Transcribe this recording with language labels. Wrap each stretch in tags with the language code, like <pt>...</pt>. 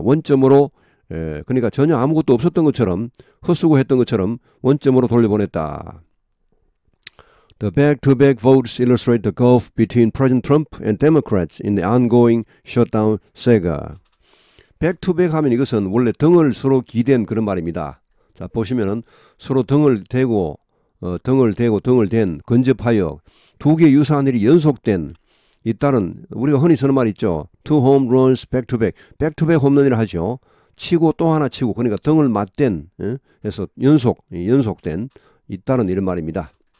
<ko>원점으로, 그러니까 전혀 아무것도 없었던 것처럼, 헛수고했던 것처럼 원점으로 돌려보냈다.</ko> <en>The back-to-back votes illustrate the gulf between President Trump and Democrats in the ongoing shutdown saga.</en> <ko>Back-to-back 하면 이것은 원래 등을 서로 기댄 그런 말입니다. 자, 보시면은 서로 등을 댄, 근접하여 두 개의 유사한 일이 연속된, 이따는 우리가 흔히 쓰는 말 있죠.</ko> <en>Two home runs back-to-back. Back-to-back</en> <ko>홈런이라 하죠. 치고 또 하나 치고, 그러니까 등을 맞댄, 해서 연속된, 이따는 이런 말입니다.</ko>